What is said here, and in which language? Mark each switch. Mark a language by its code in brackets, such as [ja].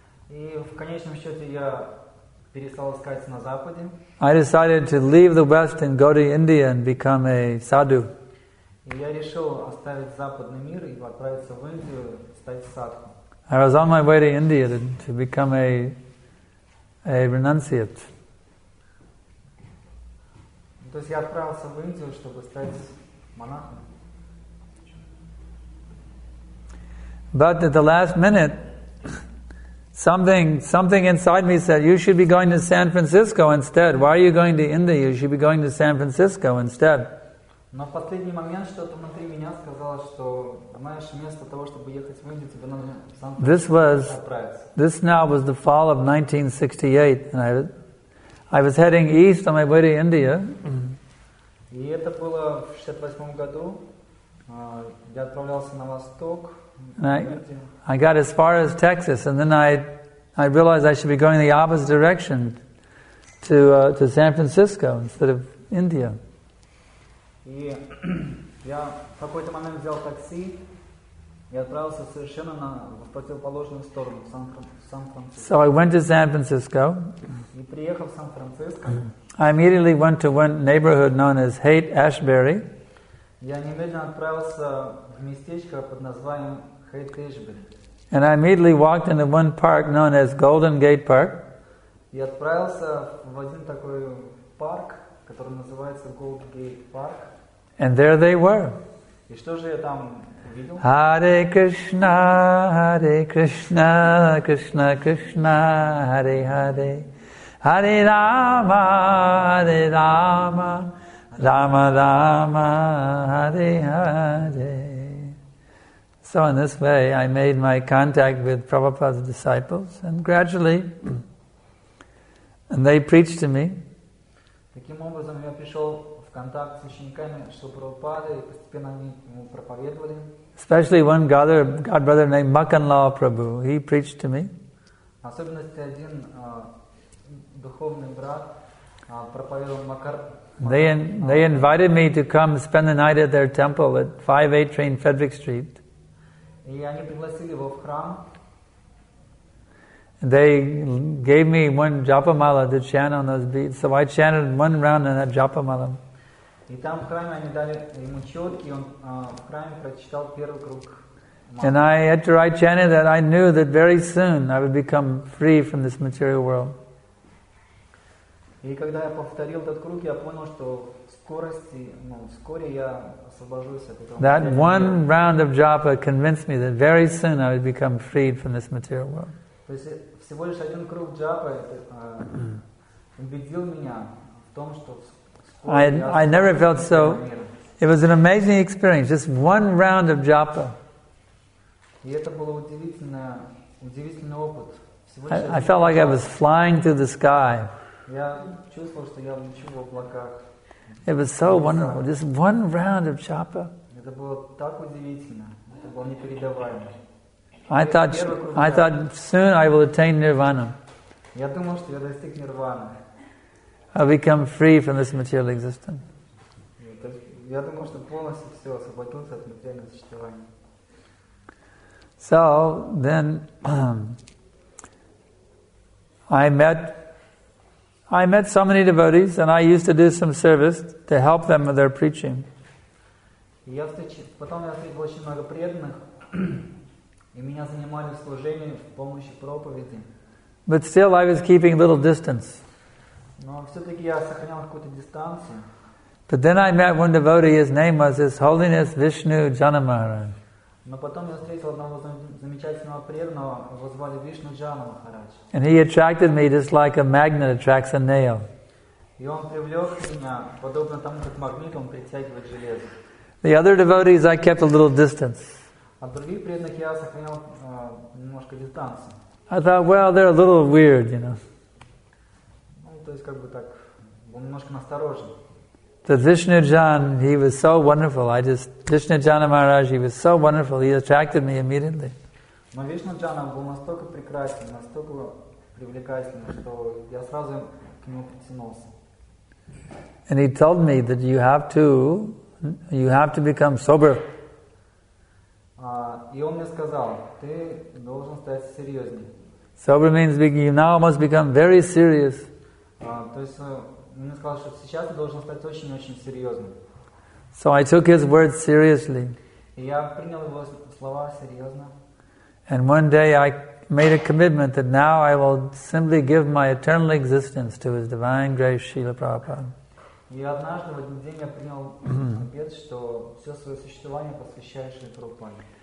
[ru] И в конечном счете я перестал искать на Западе. [en] I decided to leave the West and go to India and become a sadhu. [ru] И я решил оставить западный мир и отправиться в Индию, стать садху. [en] I was on my way to India to become a renunciate. [ru] То есть я отправился в Индию, чтобы стать монахом. [en] But at the last minute, something inside me said, you should be going to San Francisco instead. Why are you going to India? You should be going to San Francisco instead. [ru] Но в последний момент что-то внутри меня сказало, что, знаешь, вместо того, чтобы ехать в Индию, тебе нужно сам отправиться. [en] This now was the fall of 1968, and I was heading east on my way to India. [ru] И это было в 68 году. Я отправлялся на восток. [en] I got as far as Texas, and then I realized I should be going the opposite direction to San Francisco instead of India. [ru] И я в какой-то момент взял такси и отправился совершенно в противоположную сторону, в Сан-Франциско. [en] So I went to San Francisco. [ru] И приехал в Сан-Франциско. [en] I immediately went to one neighborhood known as Haight-Ashbury. [ru] Я немедленно отправился в местечко под названием Haight-Ashbury. [en] And I immediately walked into one park known as Golden Gate Park. [ru] И отправился в один такой парк, который называется Golden Gate Park. [en] And there they were. [ru] И что же я там увидел? [sa] Hare Krishna, Hare Krishna, Krishna Krishna, Hare Hare. Hare Rama, Hare Rama, Rama Rama, Hare Hare. [en] So in this way, I made my contact with Prabhupada's disciples, and gradually, and they preached to me. [ru] Таким образом, я пришел в контакт с учениками, что Прабхупада, и постепенно они ему проповедовали. [en] Especially one godbrother named Makanlal Prabhu, he preached to me. [ru] Особенности один духовный брат проповедовал Макар. [en] They invited me to come spend the night at their temple at 58 Train Frederick Street. [ru] И они пригласили его в храм. [en] They gave me one japa mala to chant on those beads, so I chanted one round on that japa mala. [ru] И там в храме они дали ему четки, он в храме прочитал первый круг. [en] And I, after I chanted that, I knew that very soon I would become free from this material world. [ru] И когда я повторил этот круг, я понял, что вскоре я освобожусь от этого. [en] That one round of japa convinced me that very soon I would become freed from this material world. [ru] То есть всего лишь один круг джапы убедил меня в том, что [en] I never felt so. It was an amazing experience. Just one round of japa. [ru] И это было удивительное Удивительный опыт. [en] I felt like I was flying through the sky. [ru] Я чувствовал, что я лечу в облаках. [en] It was so wonderful. Just one round of japa. [ru] Это было так удивительно. Это было непередаваемо. [en] I thought soon I will attain nirvana. [ru] Я думал, что я достиг нирваны. [en] I'll become free from this material existence. [ru] Я думал, что полностью все, освободился от материального существования. [en] So then I met so many devotees, and I used to do some service to help them with their preaching. [ru] Потом я встретил очень много преданных, и меня занимали в служении в помощи проповеди. [en] But still I was keeping a little distance. [ru] Но все-таки я сохранял какую-то дистанцию. [en] But then I met one devotee, his name was His Holiness Vishnu Janamaharaj. [ru] Но потом я встретил одного замечательного преданного, его звали Вишну Джана Махарадж. [en] And he attracted me just like a magnet attracts a nail. [ru] И он привлек меня, подобно тому, как магнитом притягивает железо. [en] The other devotees I kept a little distance. [ru] От других преданных я сохранял немножко дистанцию. [en] I thought, well, they're a little weird, you know. [ru] Ну, то есть как бы так, он немножко насторожен. [en] The Vishnu Jan, he was so wonderful. Vishnu Jana Maharaj, he was so wonderful. He attracted me immediately. [ru] Но Вишну Джана был настолько прекрасен, настолько привлекательным, что я сразу к нему притянулся. [en] And he told me that you have to become sober. [ru] И он мне сказал, ты должен стать серьезнее. [en] Sober means you now must become very serious. [ru] Он мне сказал, что сейчас ты должен стать очень-очень серьезным. [en] So I took his words seriously. [ru] И я принял его слова серьезно. [en] And one day I made a commitment that now I will simply give my eternal existence to His Divine Grace Srila Prabhupada. [ru] И однажды в один день я принял обет, что все свое существование посвящаю Шри Прабхупаде.